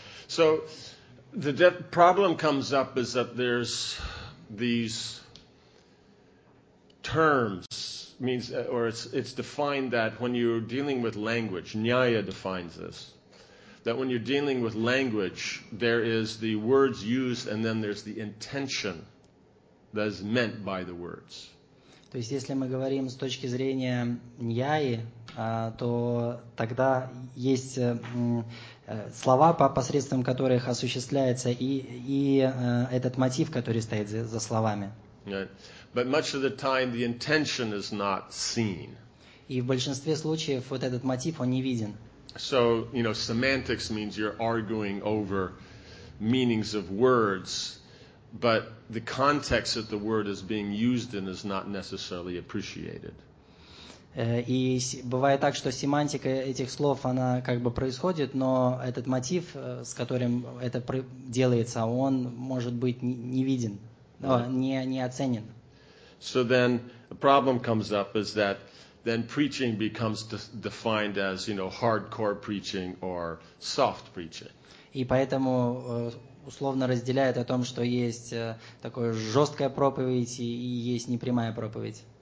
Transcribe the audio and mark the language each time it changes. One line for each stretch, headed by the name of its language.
English: So the problem comes up is that there's these terms means or it's defined that when you're dealing with language, Nyaya defines this, that when you're dealing with language, there is the words used and then there's the intention that is meant by the words.
Russian: То есть, если мы говорим с точки зрения Ньяи, то тогда есть слова, посредством которых осуществляется и этот мотив, который стоит за словами.
English: But much of the time the intention is not seen.
Russian: И в большинстве случаев вот этот мотив, он не виден.
English: So, you know, semantics means you're arguing over meanings of words. But the context that the word is being used in is not necessarily appreciated.
Russian: И бывает так, что семантика этих слов, она как бы происходит, но этот мотив, с которым это делается, он может быть не виден, не оценен.
English: So then a problem comes up is that then preaching becomes defined as, you know, hardcore preaching or soft preaching.
Russian: И поэтому условно разделяет о том, что есть такое жесткая проповедь и есть непрямая проповедь.